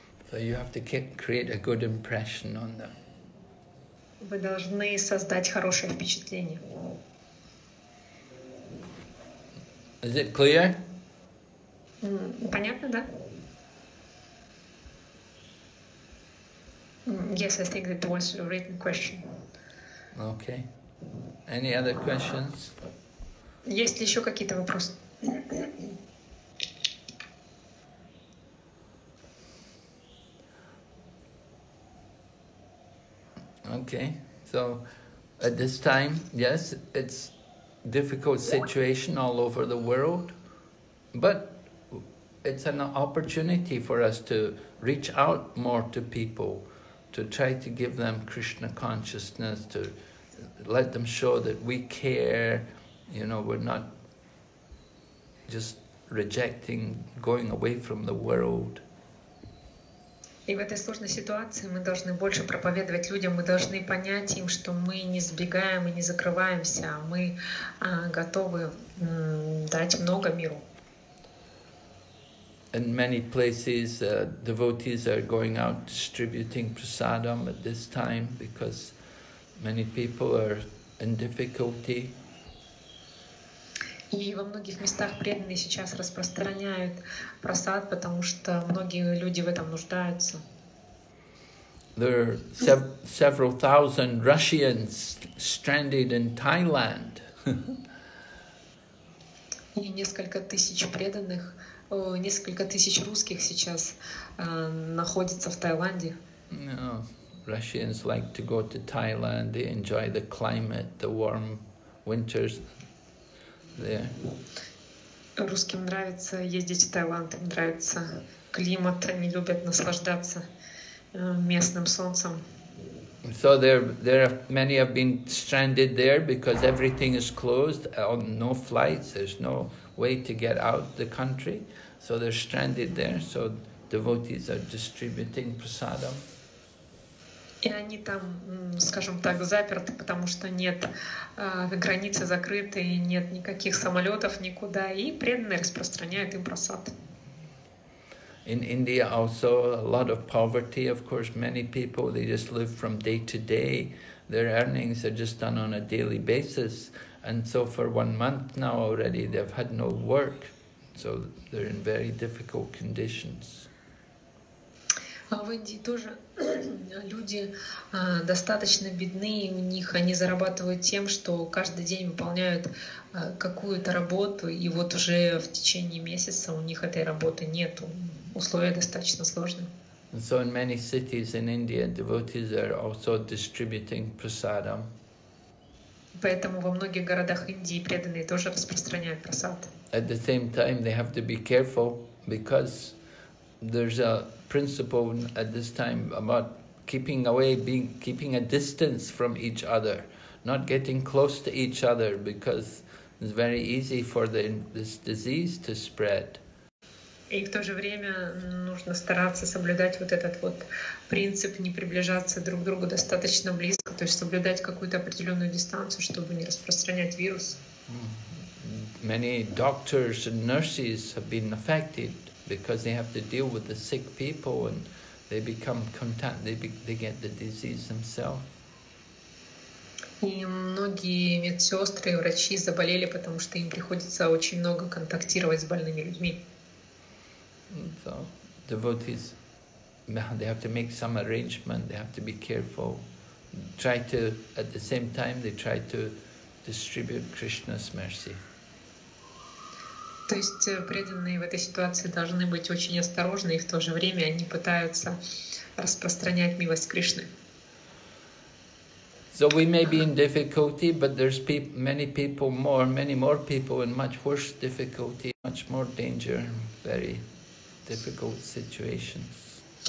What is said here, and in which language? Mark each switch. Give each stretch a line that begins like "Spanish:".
English: So you have to create a good impression on them.
Russian: Вы должны создать хорошее впечатление.
English: Is it clear?
Russian: Понятно, да?
English: Yes, I think that was a written question. Okay. Any other questions?
Russian: Есть ли еще какие-то вопросы?
English: Okay. So at this time, yes, it's difficult situation all over the world, but it's an opportunity for us to reach out more to people, to try to give them Krishna consciousness, to let them show that we care, you know, we're not just rejecting going away from the world.
Russian: И в этой сложной ситуации мы должны больше проповедовать людям, мы должны понять им, что мы не сбегаем и не закрываемся, а мы готовы дать много миру.
English: In many places devotees are going out distributing prasadam at this time because many people are in difficulty.
Russian: И во многих местах преданные сейчас распространяют просад, потому что многие люди в этом нуждаются.
English: There are several thousand Russians stranded in Thailand.
Russian: И несколько тысяч преданных, несколько тысяч русских сейчас находятся в Таиланде.
English: No, Russians like to go to Thailand. They enjoy the climate, the warm winters.
Russian: Русским нравится ездить в Таиланд, им нравится климат, они любят наслаждаться местным солнцем.
English: So there are many have been stranded there because everything is closed, no flights, there's no way to get out the country. So they're stranded there, so devotees are distributing prasadam.
Russian: И они там, скажем так, заперты, потому что нет, границы закрыты, и нет никаких самолетов никуда, и преданные распространяют им просад.
English: In India also a lot of poverty, of course, many people, they just live from day to day. Their earnings are just done on a daily basis. And so for 1 month now already, they've had no work. So they're in very difficult conditions.
Russian: В Индии тоже люди достаточно бедны, у них они зарабатывают тем, что каждый день выполняют какую-то работу, и вот уже в течение месяца у них этой работы нет, условия достаточно сложные.
English: So in many cities in India, devotees are also distributing prasadam.
Russian: Поэтому во многих городах Индии преданные тоже распространяют прасад.
English: At the same time, they have to be careful because there's a principle at this time about keeping a distance from each other, not getting close to each other, because it's very easy for this disease to spread.
Russian: И в то же время нужно стараться соблюдать вот этот вот принцип не приближаться друг к другу достаточно близко, то есть соблюдать какую-то определенную дистанцию, чтобы не распространять вирус.
English: Many doctors and nurses have been affected because they have to deal with the sick people and they become contact, they get the disease themselves.
Russian: И многие медсестры и врачи заболели, потому что им приходится очень много контактировать с больными людьми.
English: So devotees, they have to make some arrangement, they have to be careful, try to, at the same time, they try to distribute Krishna's mercy.
Russian: То есть преданные в этой ситуации должны быть очень осторожны, и в то же время они пытаются распространять милость Кришны.
English: So we may be in difficulty, but there's many more people in much worse difficulty, much more danger, very difficult situations.